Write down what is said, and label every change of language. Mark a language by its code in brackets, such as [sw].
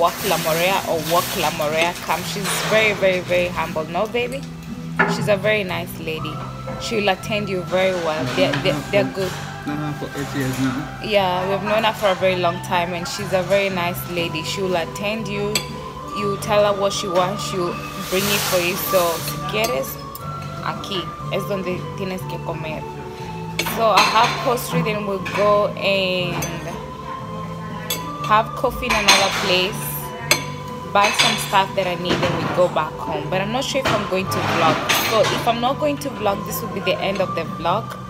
[en] Walk La Morea or Walk La Morea, come. She's very, very, very humble. No, baby? She's a very nice lady. She will attend you very well. They're good. For 8 years now. Yeah, we've known her for a very long time and she's a very nice lady. She will attend you. You tell her what she wants, she'll bring it for you. [es] So, si quieres, aquí es donde tienes que comer. [en] So, I have pastry, then we'll go and have coffee in another place, buy some stuff that I need, and we'll go back home. But I'm not sure if I'm going to vlog. So, if I'm not going to vlog, this will be the end of the vlog.